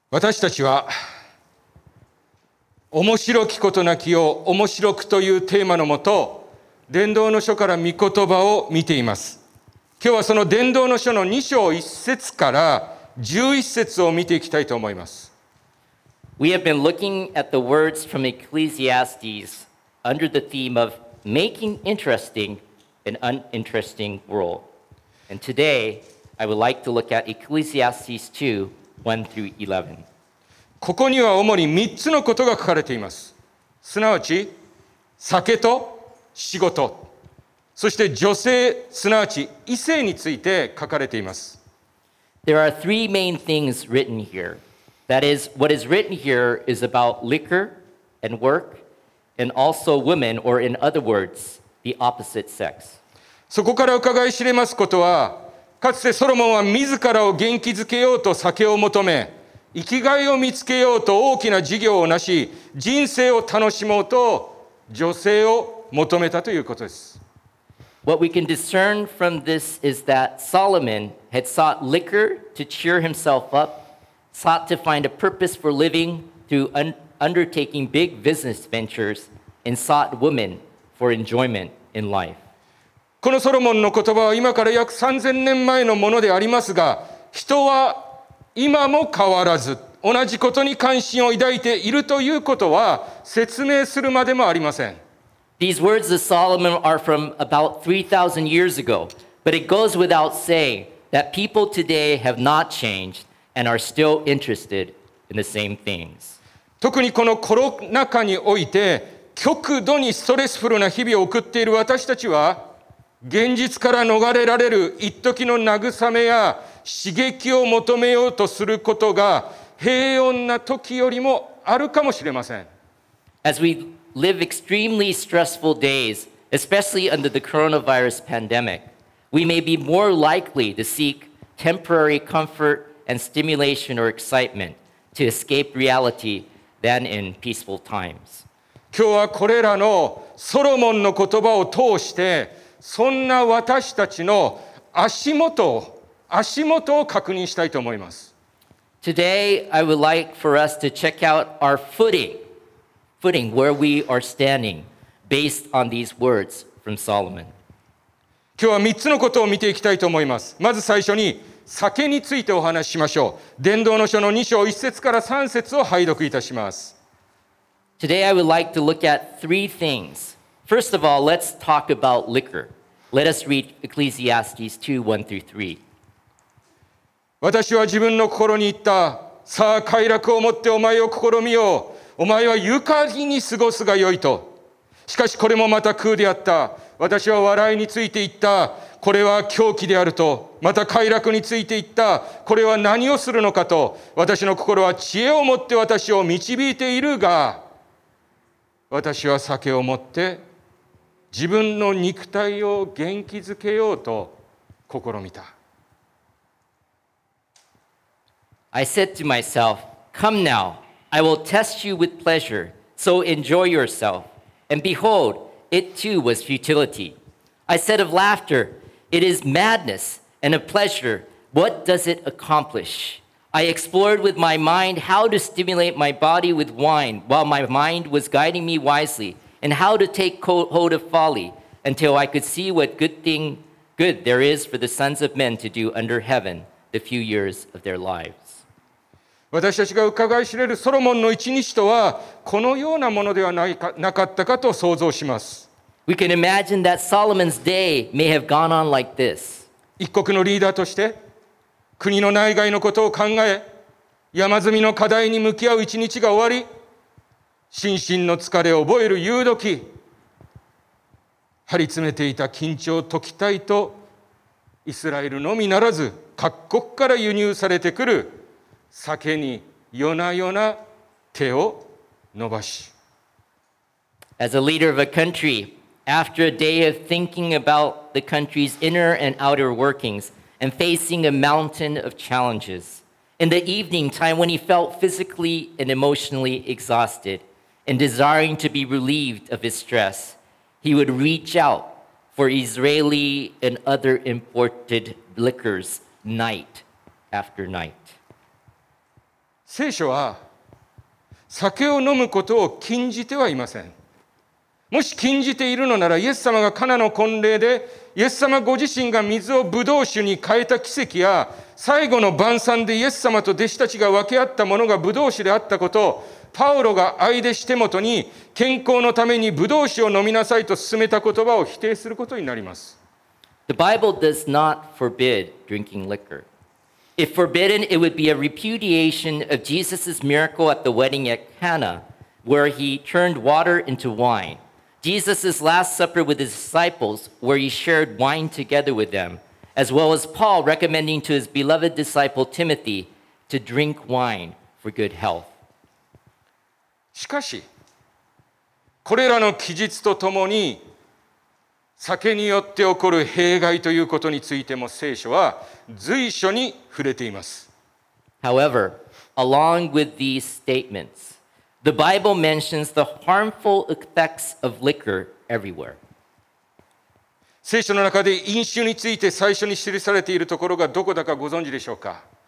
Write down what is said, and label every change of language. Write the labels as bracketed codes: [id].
[ja] 私たちは面白きことなきを面白くというテーマのもと、伝道の書から御言葉を見ています。今日はその伝道の書の2章1節から11節を見ていきたいと思います。 [en] We have been looking at the words from Ecclesiastes under the theme of making interesting an uninteresting world. And today I would like to look at Ecclesiastes 2:1-11. [ja] ここには主に3つのことが書かれています。すなわち酒と仕事、そして女性、すなわち異性について書かれています。 [en] There are three main things written here. That is, what is written here is about liquor and work and also women, or in other words, the opposite sex. [ja] そこから伺い知れますことは、かつてソロモンは自らを元気づけようと酒を求め、生きがいを見つけようと大きな事業をなし、人生を楽しもうと女性を求めたということです。 [en] What we can discern from this is that Solomon had sought liquor to cheer himself up, sought to find a purpose for living through undertaking big business ventures, and sought women for enjoyment in life. [ja] このソロモンの言葉は今から約3000年前のものでありますが、人は今も変わらず同じことに関心を抱いているということは説明するまでもありません。 [en] These words of Solomon are from about 3,000 years ago, but it goes without saying that people today have not changed and are still interested in the same things. [ja] 特にこのコロナ禍において極度にストレスフルな日々を送っている私たちは、現実から逃れられる一時の慰めや刺激を求めようとすることが平穏な時よりもあるかもしれません。 [en] As we live extremely stressful days, especially under the coronavirus pandemic, we may be more likely to seek temporary comfort and stimulation or excitement to escape reality than in peaceful times. [ja] 今日はこれらのソロモンの言葉を通して、そんな私たちの足元を確認したいと思います。 [en] Today, I would like for us to check out our footing, where we are standing, based on these words from Solomon. [ja] 今日は3つのことを見ていきたいと思います。まず最初に、酒についてお話ししましょう。伝道の書の2章1節から3節を拝読いたします。 [en] Today, I would like to look at three things. First of all, let's talk about liquor. Let us read Ecclesiastes 2:1-3. [ja] 私は自分の心に言った。さあ、快楽をもってお前を試みよう。お前は愉快に過ごすがよいと。しかしこれもまた空であった。私は笑いについて言った。これは狂気であると。また快楽について言った。これは何をするのかと。私の心は知恵をもって私を導いているが、私は酒をもって自分の肉体を元気づけようと試みた。 [en] I said to myself, Come now, I will test you with pleasure, so enjoy yourself. And behold, it too was futility. I said of laughter, It is madness, and of pleasure, what does it accomplish? I explored with my mind how to stimulate my body with wine while my mind was guiding me wisely. And how to take hold of folly until I could see what good there is for the sons of men to do under heaven the few years of their lives. [ja] 私たちが伺い知れるソロモンの一日とはこのようなものではなかったかと想像します。 [en] We can imagine that Solomon's day may have gone on like this. [ja] 一国のリーダーとして国の内外のことを考え山積みの課題に向き合う一日が終わり、心身の疲れを覚える夕時、張り詰めていた緊張を解きたいと、イスラエルのみならず各国から輸入されてくる酒に夜な夜な手を伸ばし。 [en] As a leader of a country, after a day of thinking about the country's inner and outer workings and facing a mountain of challenges, in the evening time when he felt physically and emotionally exhausted,And desiring to be relieved of his stress, he would reach out for Israeli and other imported liquors night after night. [ja] 聖書は酒を飲むことを禁じてはいません。もし禁じているのなら、イエス様がカナの婚礼でイエス様ご自身が水をブドウ酒に変えた奇跡や、最後の晩餐でイエス様と弟子たちが分け合ったものがブドウ酒であったこと、パウロが愛弟子テモトに健康のためにブドウ酒を飲みなさいと勧めた言葉を否定することになります。 [en] The Bible does not forbid drinking liquor. If forbidden, it would be a repudiation of Jesus' miracle at the wedding at Cana, where he turned water into wine. Jesus' last supper with his disciples, where he shared wine together with them, as well as Paul recommending to his beloved disciple Timothy to drink wine for good health. [ja] しかし、これらの記述とともに、酒によって起こる弊害ということについても聖書は随所に触れています。 [en] However, along with these statements, the Bible mentions the harmful effects of liquor everywhere. [ja] 聖書の中で飲酒について最初に記されているところがどこだかご存知でしょうか?